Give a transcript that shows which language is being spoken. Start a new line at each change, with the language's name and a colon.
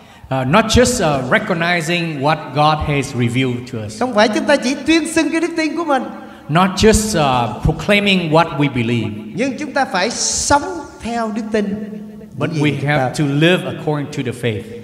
English: Not just recognizing what God has revealed to us.
Vietnamese: Không phải chúng ta chỉ tuyên xưng cái đức tin của mình.
English: Not just proclaiming what we believe.
Vietnamese: Nhưng chúng ta phải sống theo đức tin.
English: But we have to live according to the faith.